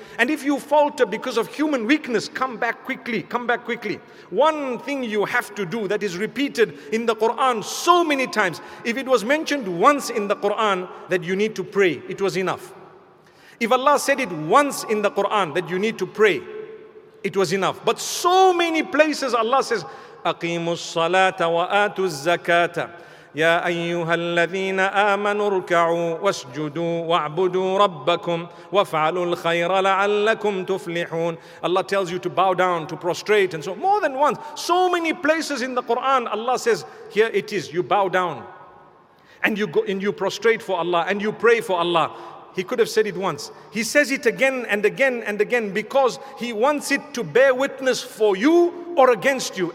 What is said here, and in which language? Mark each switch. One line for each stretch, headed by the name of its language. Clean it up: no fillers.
English: And if you falter because of human weakness, come back quickly. Come back quickly. One thing you have to do that is repeated in the Quran so many times. If it was mentioned once in the Quran that you need to pray, it was enough. If Allah said it once in the Quran that you need to pray, it was enough. But so many places Allah says,
Arabic: أَقِيمُوا الصَّلَاةَ وَآتُوا الزَّكَاةَ يَا أَيُّهَا الَّذِينَ آمَنُوا ارْكَعُوا وَاسْجُدُوا وَاعْبُدُوا رَبَّكُمْ وَفَعَلُوا الْخَيْرَ لَعَلَّكُمْ تُفْلِحُونَ.
English: Allah tells you to bow down, to prostrate, and so more than once. So many places in the Quran, Allah says, here it is, you bow down, and you go and you prostrate for Allah, and you pray for Allah. He could have said it once. He says it again and again and again because he wants it to bear witness for you or against you.